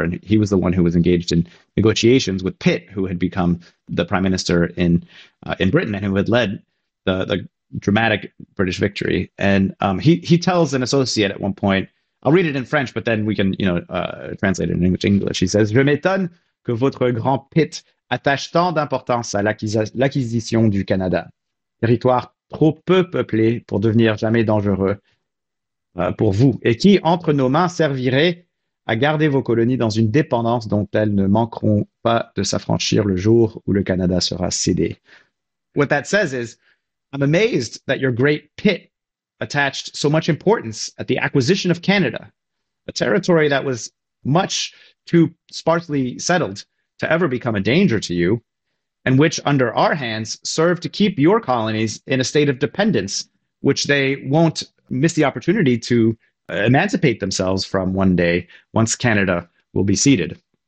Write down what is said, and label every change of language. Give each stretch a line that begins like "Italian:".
English: And he was the one who was engaged in negotiations with Pitt, who had become the prime minister in Britain and who had led the dramatic British victory. And he tells an associate at one point, I'll read it in French, but then we can, you know, translate it in English. He says,
French: Je m'étonne que votre grand Pitt attache tant d'importance à l'acquisition du Canada, territoire trop peu peuplé pour devenir jamais dangereux pour vous, et qui, entre nos mains, servirait à garder vos colonies dans une dépendance dont elles ne manqueront pas de s'affranchir le jour où le Canada sera cédé.
English: What that says is, I'm amazed that your great Pitt attached so much importance at the acquisition of Canada, a territory that was much too sparsely settled to ever become a danger to you, and which under our hands serve to keep your colonies in a state of dependence, which they won't miss the opportunity to emancipate themselves from one day once Canada will be seated.